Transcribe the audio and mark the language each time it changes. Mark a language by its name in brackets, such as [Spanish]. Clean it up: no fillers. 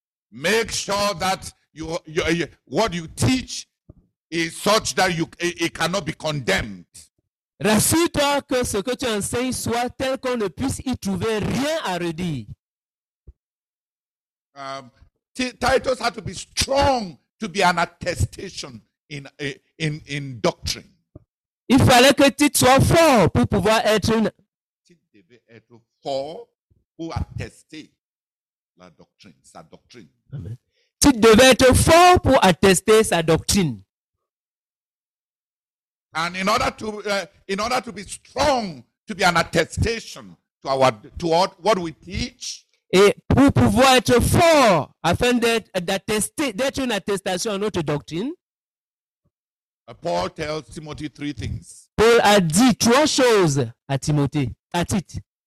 [English] make sure that what you teach is such that it cannot be condemned. [French] Rassure-toi que ce que tu enseignes soit tel qu'on ne puisse y trouver rien à redire. [English] Titus had to be strong to be an attestation in doctrine. [French] Il fallait que Tite soit fort pour pouvoir être une... Tite devait être fort pour attester la doctrine, sa doctrine. Tite devait être fort pour attester sa doctrine. [English] And in order to be strong, to be an attestation to toward what we teach. [French] Et pour pouvoir être fort afin d'être une attestation à notre doctrine. [English] Paul tells Timothy three things. [French] Paul a dit trois choses à Timothée, à Tite.